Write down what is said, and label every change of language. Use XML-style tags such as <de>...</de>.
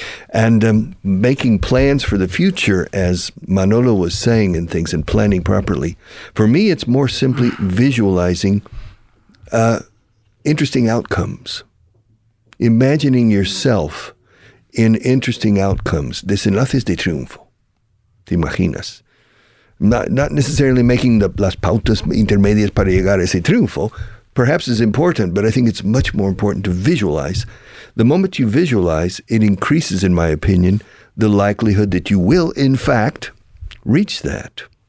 <en>And making plans for the future, as Manolo was saying, and things and planning properly, for me, it's more simply visualizing interesting outcomes, imagining yourself in interesting outcomes.</en> <es>Desenlaces de triunfo, te imaginas.</es> <en>Not necessarily making</en> <es>las pautas intermedias para llegar a ese triunfo,</es> <en>perhaps is important, but I think it's much more important to visualize. The moment you visualize, it increases, in my opinion, the likelihood that you will, in fact, reach that.</en>